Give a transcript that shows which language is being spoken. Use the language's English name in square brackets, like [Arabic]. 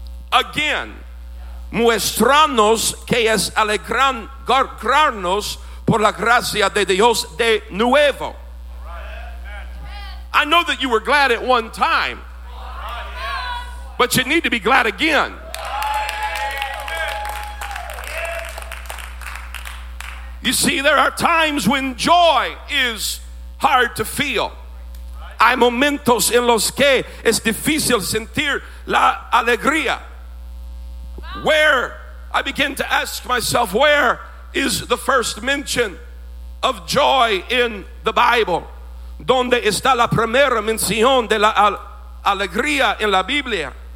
[Spanish] Again, muestranos que es alegrarnos por la gracia de Dios de nuevo. [English] I know that you were glad at one time, but you need to be glad again. You see, there are times when joy is hard to feel. [Spanish] Hay momentos en los que es difícil sentir la alegría. [English] Where, I begin to ask myself, where is the first mention of joy in the Bible? [Spanish] ¿Dónde está la primera mención de la alegría en la Biblia?